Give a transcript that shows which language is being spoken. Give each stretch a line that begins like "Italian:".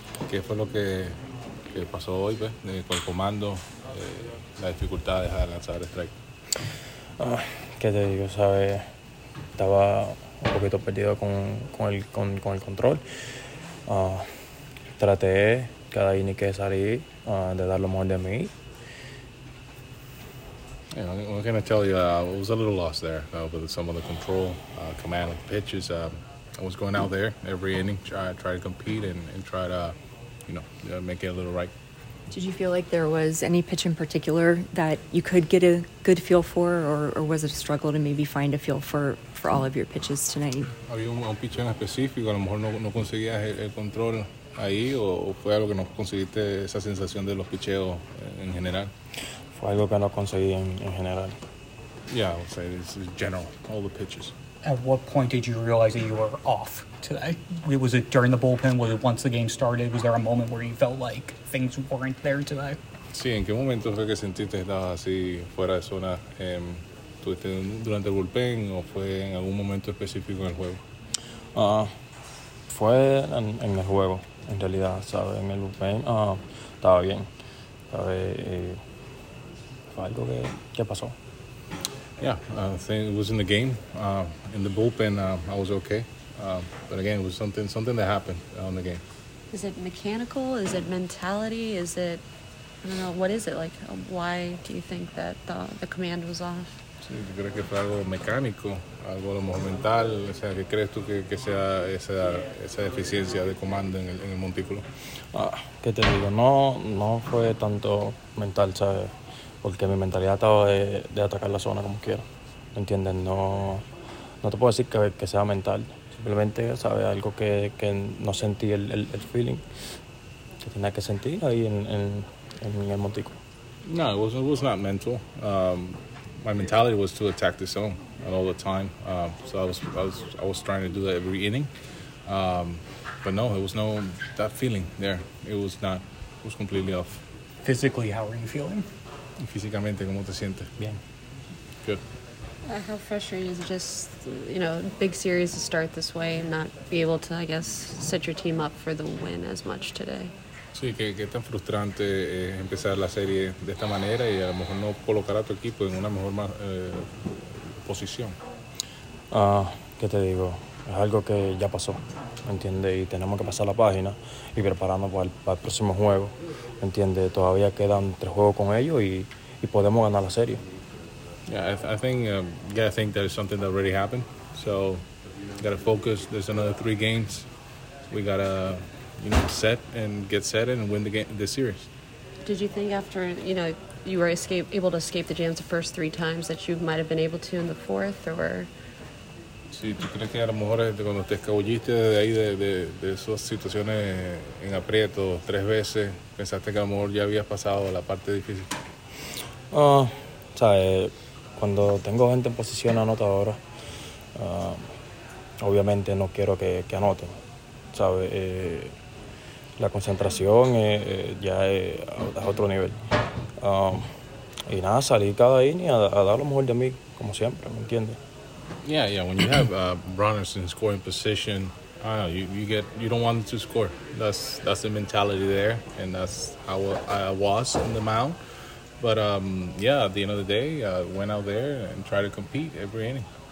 Spanish: ¿Qué fue lo que pasó hoy, pues, con el comando, la dificultad de lanzar strike? ¿Qué te digo? ¿Sabes? Estaba un poquito perdido con el control. Traté cada inning que salí de dar lo mejor de mí.
English: I'm going to tell you, I was a little lost there with some of the control, command of pitches. I was going out there every inning, try to compete and try to, you know, make it a little right. Did you feel like there was any pitch in particular that you could get a good feel for, or was it a struggle to maybe find a feel for all of your pitches tonight?
Spanish: Había un pitch en específico, a lo mejor no conseguías el control ahí, o fue algo que no conseguiste esa sensación de los picheos en general. Fue algo que no conseguí en general.
English: Yeah, I would say it's general, all the pitches. At what point did you realize that you were off today? Was it during the bullpen? Was it once the game started? Was there a moment where you felt like things weren't there today?
Spanish: Sí, ¿en qué momento fue que sentiste que estabas así fuera de zona? ¿Tuviste durante el bullpen o fue en algún momento específico en el juego? Fue en el juego, en realidad, ¿sabes? En el bullpen estaba bien, ¿sabes? Fue algo que pasó.
English: Yeah, I think it was in the game, in the bullpen. I was okay, but again, it was something that happened on the game. Is it mechanical? Is it mentality? Is it, I don't know, what is it like? Why do you think that the command was off?
Spanish: Sí, yo creo que fue algo mecánico, algo a lo mejor mental. O sea, ¿qué crees tú que sea esa deficiencia de comando en el montículo? ¿Qué te digo? No fue tanto mental, ¿sabes? Porque mi mentalidad estaba de atacar la zona como quiera. ¿Me entiendes? No te puedo decir que sea mental. Simplemente, ¿sabes? Algo que no sentí el feeling que tenía que sentir ahí en el montículo.
English: No, it was not mental. My mentality was to attack the zone all the time. So I was trying to do that every inning. But no, it was no that feeling there. It was completely off. Physically, how are you feeling?
Spanish: Físicamente, ¿cómo te sientes? Bien.
English: Good. How frustrating is it just, you know, big series to start this way and not be able to, I guess, set your team up for the win as much today?
Spanish: Sí, que tan frustrante empezar la serie de esta manera y a lo mejor no colocar a tu equipo en una mejor posición. ¿Qué te digo? Es algo que ya pasó, ¿me entiendes? Y tenemos que pasar la página y prepararnos para el próximo juego, ¿me entiendes? Todavía quedan 3 juegos con ellos y podemos ganar la serie.
English: Yeah, I think that is something that already happened. So, gotta focus. There's another 3 games. We gotta, you know, get set and win the series. Did you think after, you know, you were able to escape the jams the first 3 times that you might have been able to in the 4th, or...?
Spanish: Sí, ¿tú crees que a lo mejor cuando te escabulliste de ahí de esas situaciones en aprieto 3 veces, pensaste que a lo mejor ya habías pasado la parte difícil? Cuando tengo gente en posición anotadora, obviamente no quiero que anoten, ¿sabes? La concentración es otro nivel. Y nada, salí cada inning a dar lo mejor de mí, como siempre, ¿me entiendes?
English: Yeah, when you have runners in scoring position, you don't want them to score. That's the mentality there, and that's how I was on the mound. But at the end of the day, went out there and tried to compete every inning.